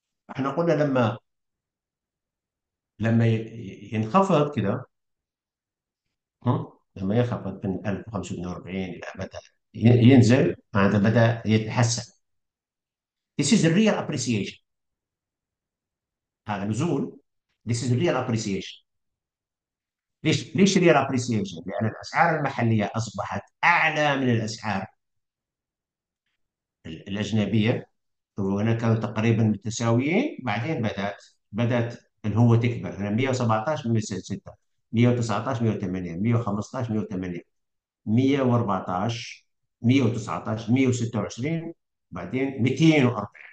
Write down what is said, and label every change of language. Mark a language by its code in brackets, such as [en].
[ar] احنا قلنا لما ينخفض كده، لما ينخفض من 1045 إلى بدأ ينزل، هذا بدأ يتحسن. [en] This is the real appreciation. [ar] هذا نزول، [en] this is the real appreciation. [ar] ليش ريال ابريسيشن؟ لان الاسعار المحليه اصبحت اعلى من الاسعار الاجنبيه، وهنا كانوا تقريبا متساويين، بعدين بدات اللي هو تكبر. هنا 117 106، 119 108، 115 108، 114 119 126، بعدين 240.